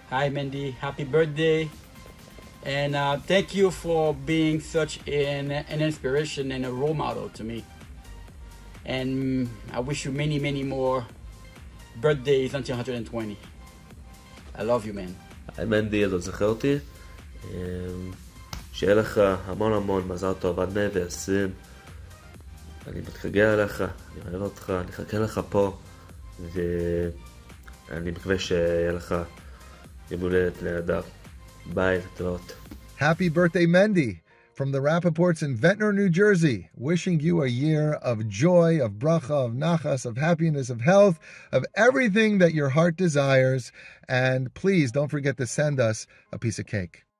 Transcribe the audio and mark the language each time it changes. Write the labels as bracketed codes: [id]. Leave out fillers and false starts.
[en] Hi, Mendy. Happy birthday. And thank you for being such an inspiration and a role model to me. And I wish you many, many more birthdays until 120. I love you, man. Hi, Mendy. I love you. [he] שיהיה לך המון המון מזל טוב עד 120. אני מתחגע עליך, אני אוהב אותך, אני חכה לך פה, ואני מקווה שיהיה לך יום הולדת נהדר. ביי, להתראות. [en] Happy birthday, Mendy, from the Rappaports in Ventnor, New Jersey, wishing you a year of joy, of bracha, of nachas, of happiness, of health, of everything that your heart desires. And please don't forget to send us a piece of cake.